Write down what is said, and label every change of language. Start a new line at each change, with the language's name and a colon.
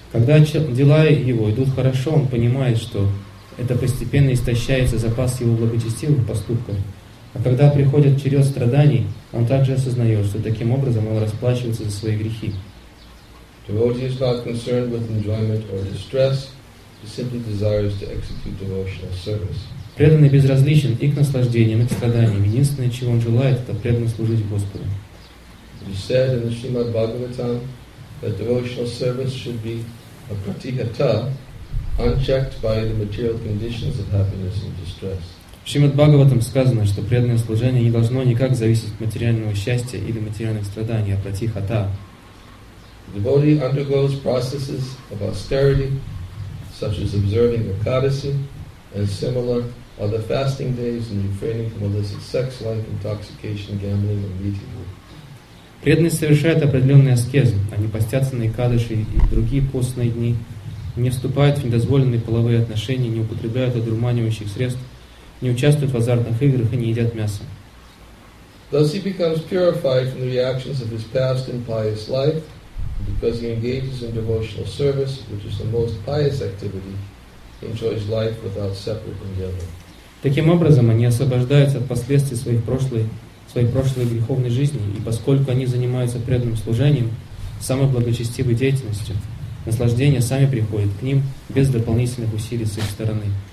Russian: Когда дела его идут хорошо, он понимает, что это постепенно истощается запас его благочестивых поступков. А когда приходит черед страданий, он также осознает, что таким образом он расплачивается за свои грехи.
English: Devotee is not concerned with enjoyment or distress. He simply desires to execute devotional service.
Russian: Преданный безразличен и к наслаждениям, и к страданиям. Единственное, чего он желает, это преданно служить Господу.
English: It is said in the Srimad Bhagavatam that devotional service should be a pratihata, unchecked by the material conditions of happiness and distress.
Russian: В Шримад Бхагаватам сказано, что преданное служение не должно никак зависеть от материального счастья или материальных страданий, а пратихата.
English: Devotee undergoes processes of austerity, such as observing Ekadasi and similar other fasting days and refraining from illicit sex life, intoxication, gambling, and eating.
Russian: Преданный совершает определенные аскезы, они постятся на Экадаши и другие постные дни, не вступают в недозволенные половые отношения, не употребляют одурманивающих средств, не участвуют в азартных играх и не едят мясо.
English: Thus he becomes purified from the reactions of his past impious life, because he engages in devotional service, which is the most pious activity, he enjoys life without separate endeavor.
Russian: Таким образом, они освобождаются от последствий своей прошлой греховной жизни, и поскольку они занимаются преданным служением, самой благочестивой деятельностью, наслаждения сами приходят к ним без дополнительных усилий с их стороны.